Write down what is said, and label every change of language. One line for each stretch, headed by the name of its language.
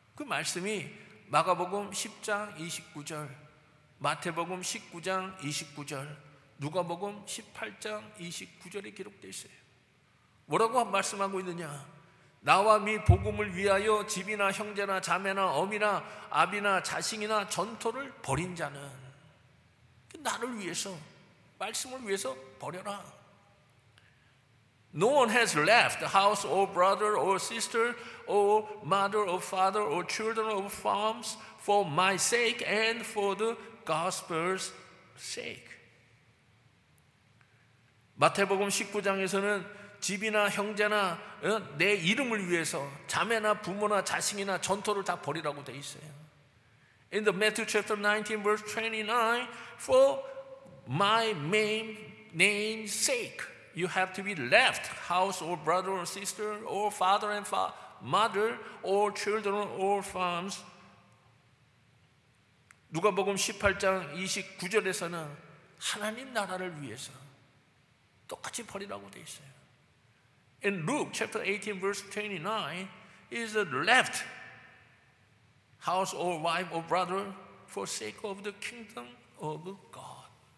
Korean: 그 말씀이 마가복음 10장 29절, 마태복음 19장 29절, 누가복음 18장 29절에 기록되어 있어요. 뭐라고 말씀하고 있느냐? 나와 미 복음을 위하여 집이나 형제나 자매나 어미나 아비나 자식이나 전토를 버린 자는 나를 위해서 말씀을 위해서 버려라.
English: No one has left the house or brother or sister or mother or father or children or farms for my sake and for the gospel's sake.
Korean: 마태복음 19장에서는 집이나 형제나 내 이름을 위해서 자매나 부모나 자식이나 전토를 다 버리라고 돼 있어요.
English: In the Matthew chapter 19 verse 29 for my name's sake you have to be left house or brother or sister or father and mother or children or farms.
Korean: 누가복음 18장 29절에서는 하나님 나라를 위해서 똑같이 버리라고 돼 있어요.
English: In Luke chapter 18 verse 29 is a left house or wife or brother for sake of the kingdom of God.